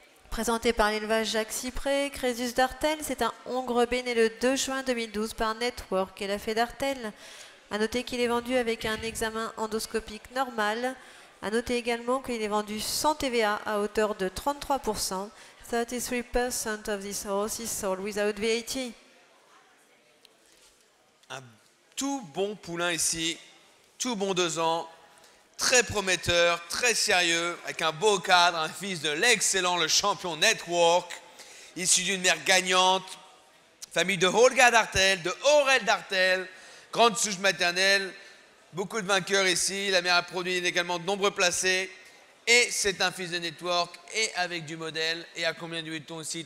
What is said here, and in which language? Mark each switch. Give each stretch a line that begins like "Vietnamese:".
French: Présenté par l'élevage Jacques Cypré, Crésus d'Artel. C'est un hongre bé né le 2 juin 2012 par Network et la Fée d'Artel. A noter qu'il est vendu avec un examen endoscopique normal. A noter également qu'il est vendu sans TVA à hauteur de 33%.
English: 33% of this horse is sold without VAT.
French: Un tout bon poulain ici. Tout bon 2 ans, très prometteur, très sérieux, avec un beau cadre, un fils de l'excellent, le champion Network, issu d'une mère gagnante, famille de Holger d'Artel, de Aurel d'Artel, grande souche maternelle, beaucoup de vainqueurs ici, la mère a produit également de nombreux placés, et c'est un fils de Network, et avec du modèle, et à combien de huit-on ici?